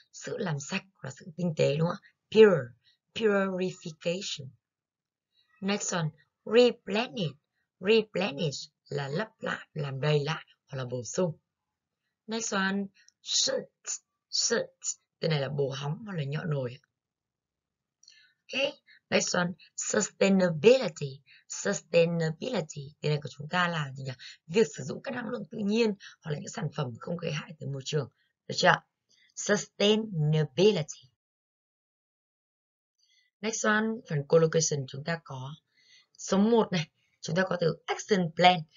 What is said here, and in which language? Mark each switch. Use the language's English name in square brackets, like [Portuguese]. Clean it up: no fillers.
[Vietnamese] Sự làm sạch và sự tinh tế, đúng không ạ? [English] Pure, purification. Next one, replenish. [Vietnamese] Replenish là lấp lại, làm đầy lại hoặc là bổ sung. [English] Next one, suit. [Vietnamese] Suit, cái này là bổ hóng hoặc là nhọ nồi. [English] Okay, next one, sustainability. [Vietnamese] Sustainability, cái này của chúng ta là gì nhỉ? Việc sử dụng các năng lượng tự nhiên hoặc là những sản phẩm không gây hại tới môi trường, được chưa? [English] Sustainability. Next one, [Vietnamese] phần collocation chúng ta có số 1 này, chúng ta có từ action plan.